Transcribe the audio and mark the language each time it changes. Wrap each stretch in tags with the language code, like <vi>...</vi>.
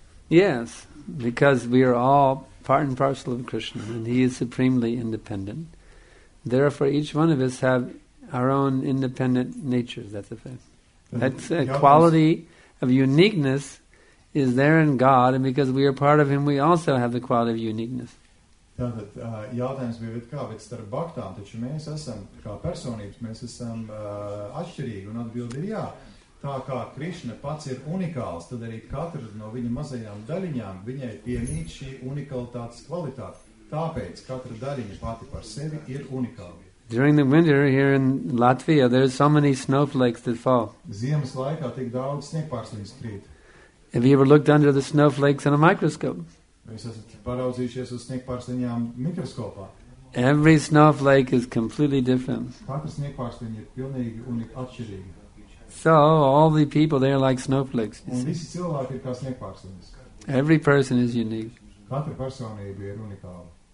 <en>Yes, because we are all part and parcel of Krishna, and he is supremely independent. Therefore, each one of us have our own independent natures. That's a fact. That's a quality of uniqueness is there in God, and because we are part of him, we also have the quality of uniqueness.</en> <lv>Tātad jautājums bija, bet starp baktām, taču mēs esam kā personības, mēs esam atšķirīgi, un atbildi ir jā. Tā kā Krišna pats ir unikāls, tad arī katra no viņa mazajām daļiņām viņai piemīt šī unikalitātes kvalitāte. Tāpēc katra daļiņa pati par sevi ir unikāla.</lv> <en>During the winter here in Latvia, there are so many snowflakes that fall.</en> <lv>Ziemas laikā tik daudz sniegpārsliņas krīt.</lv> <en>Have you ever looked under the snowflakes in a microscope?</en> <lv>Jūs esat paraudzījušies uz sniegpārsliņām mikroskopā.</lv> <en>Every snowflake is completely different.</en> <lv>Katra sniegpārsliņa ir pilnīgi atšķirīga.</lv> <en>So, all the people, they are like snowflakes.</en> <lv>Un visi cilvēki ir kā sniegpārsliņas.</lv> <en>Every person is unique.</en> <lv>Katra personība ir unikāla.</lv>